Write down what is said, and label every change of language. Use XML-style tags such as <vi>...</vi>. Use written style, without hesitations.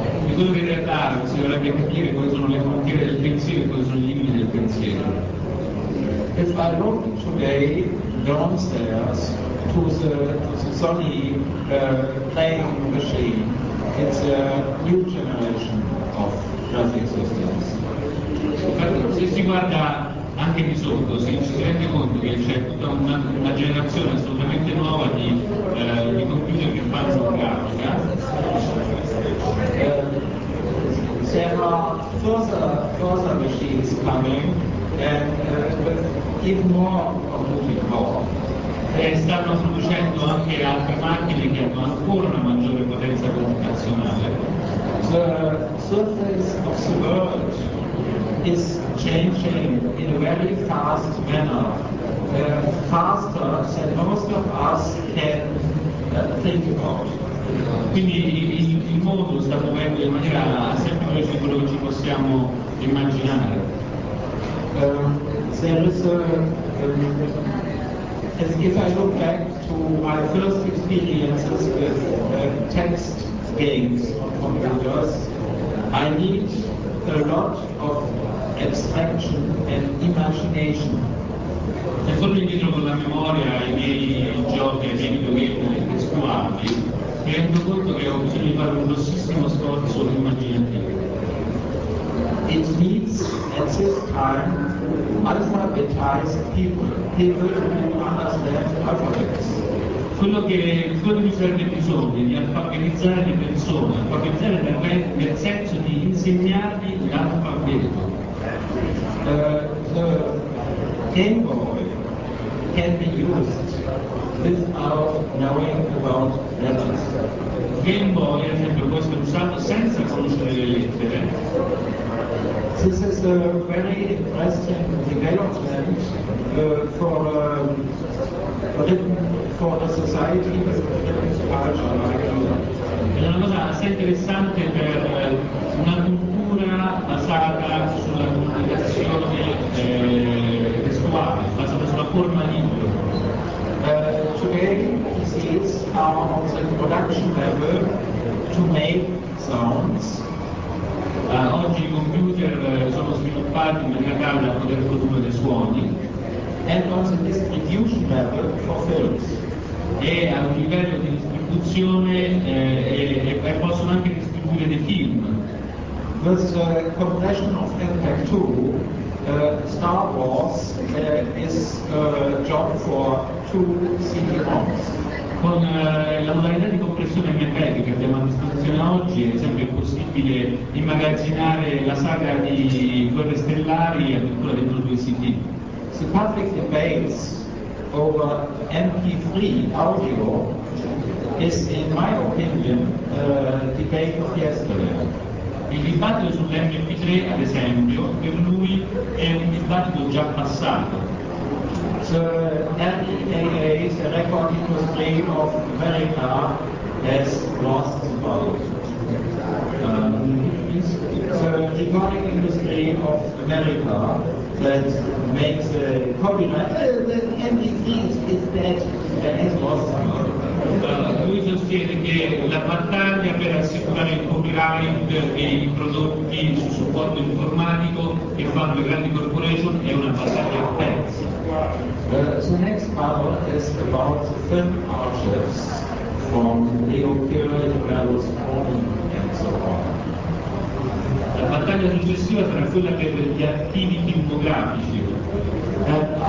<it>E quello che in realtà si dovrebbe capire quali sono le frontiere del pensiero e quali sono i limiti del pensiero.</it> <en>If I look today downstairs to the Sony playing machine, it's a new generation of graphic systems.</en> <it>Se si guarda anche di sotto, si rende conto che c'è tutta una generazione assolutamente nuova di computer che fanno grafica.</it> <en>There are further machines coming and with even more computing power.</en> <it>E stanno producendo anche altre macchine che hanno ancora una maggiore potenza computazionale.</it> <en>The surface of the world is changing in a very fast manner, faster than most of us can think about.</en> <it>Quindi il mondo sta muovendo in maniera sempre più veloce di quello che ci possiamo immaginare.</it> <en>There is as if I look back to my first experiences with text games on computers, I need a lot of abstraction and imagination.</en> <it>E torno indietro con la memoria ai miei giochi, ai miei videogame testuali, mi rendo conto che ho bisogno di fare un grossissimo sforzo immaginativo.</it> <en>It needs at this time alphabetized people who understand alphabets.</en> <it>Quello che mi serve bisogno è di alfabetizzare le persone, alfabetizzare nel senso di insegnargli l'alfabeto.</it> <en>The Game Boy can be used without knowing about letters.</en> <it>Game Boy, ad esempio, può essere usato senza conoscere le lettere.</it> <en>This is a very interesting development for the society with written culture.</en> <it>È una cosa assai interessante per una cultura basata sulla comunicazione testuale, basata sulla forma libro.</it> <en>Today, this is on the production level to make sounds.</en> <it>Oggi i computer sono sviluppati in maniera tale da poter produrre suoni.</it> <en>And on the distribution level for films.</en> <it>E a un livello di distribuzione e possono anche distribuire dei film.</it> <en>With the compression of MPEG-2, Star Wars is a job for 2 CD-ROMs.</en> <it>Con la modalità di compressione MPEG che abbiamo a disposizione oggi, ad esempio, è possibile immagazzinare la saga di Guerre Stellari addirittura dentro 2 CD.</it> <en>The public debates over MP3 audio is, in my opinion, debate of yesterday.</en> <it>Il dibattito sull'MP3, ad esempio, per lui è un dibattito già passato.</it> <en>The LEAA, the record industry of America, has lost the vote. The recording industry of America that makes the copyright, the MP3 is dead, has lost the vote.</en> <it>Lui sostiene che la battaglia per assicurare il copyright e i prodotti su supporto informatico che fanno le grandi corporation è una battaglia persa.</it> <en>The next battle is about the film archives from Leo Pirelli, Carlos Coleman and so on.</en> <it>La battaglia successiva sarà quella per gli archivi filmografici.</it>